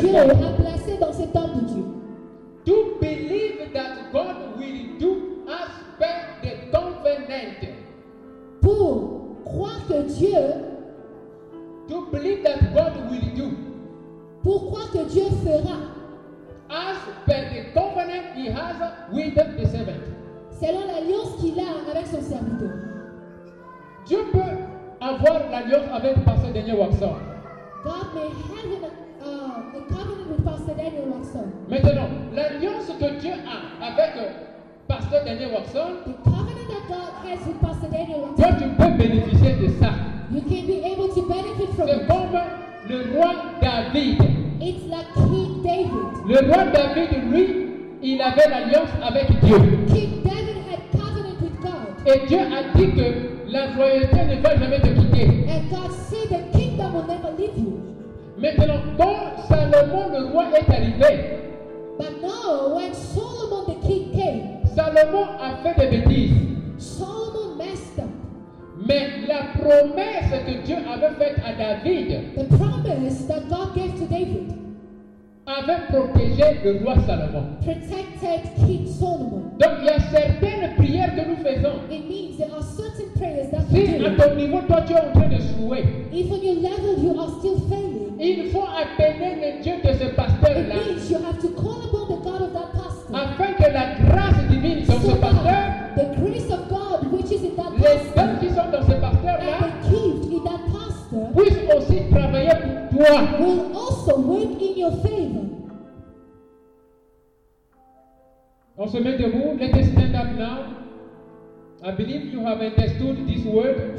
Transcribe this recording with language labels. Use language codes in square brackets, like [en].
[fr] Dieu a placé dans cet homme de Dieu. [en] To believe that God will do as per the covenant. [fr] Pour croire que Dieu. [en] To believe that God will do. [fr] Pour croire que Dieu fera. [en] As per the covenant he has with the servant. [fr] Selon l'alliance qu'il a avec son serviteur. Dieu peut avoir l'alliance avec Pasteur Daniel Watson. [en] God may have a covenant with Pasteur Daniel Watson. [fr] Maintenant, l'alliance que Dieu a avec Pasteur Daniel Watson. [en] The covenant that God has with Pasteur Daniel Watson. [fr] Toi, tu peux bénéficier de ça. [en] You can be able to benefit from [fr] c'est [en] it. [fr] C'est comme le roi David. [en] It's like King David. [fr] Le roi David, lui, il avait l'alliance avec Dieu. [en] King David had covenant with God. [fr] Et Dieu a dit que la royauté ne va jamais te quitter. [en] And God said the kingdom will never leave you. [fr] Maintenant, quand Salomon le roi est arrivé, [en] but now when Solomon the king came, [fr] Salomon a fait des bêtises. [en] Solomon messed up. [fr] Mais la promesse que Dieu avait faite à David, [en] the promise that God gave to David, [fr] avait protégé le roi Salomon. [en] Protected King Solomon. [fr] Donc il y a certaines prières que nous faisons. [en] It means there are certain prayers that [fr] si [en] we do. [fr] À ton niveau toi tu es en train de jouer. [en] If on your level you are still failing. [fr] Il faut appeler le Dieu de ce pasteur là. [en] It means you have to call upon the God of that pastor. [fr] Afin que la grâce divine dans [en] so [fr] ce pasteur. [en] The grace of God which is in that [fr] les [en] pastor. [fr] Les dons qui sont dans ce pasteur là. [en] And the gift in that pastor. [fr] Puissent aussi travailler pour toi. [en] Will also work in your favor. [fr] On se met debout. [en] Let us stand up now. I believe you have understood this word.